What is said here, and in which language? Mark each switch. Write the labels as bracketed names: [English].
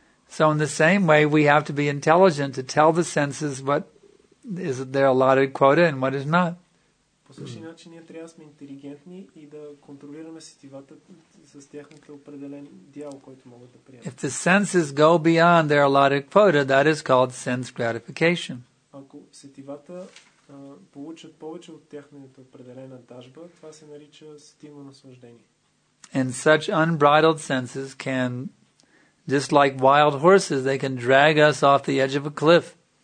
[English] So in the same way, we have to be intelligent to tell the senses what is their allotted quota and what is not. [Bulgarian] По същия начин ние трябва да сме интелигентни и да контролираме сетивата с тяхната определен дял, който могат да приемат. [English] If the senses go beyond their allotted quota, that is called sense gratification. [Bulgarian] Ако сетивата получат повече от тяхната определена дажба, това се нарича сетивно наслаждение. [English] And such unbridled senses can, just like wild horses, they can drag us off the edge of a cliff.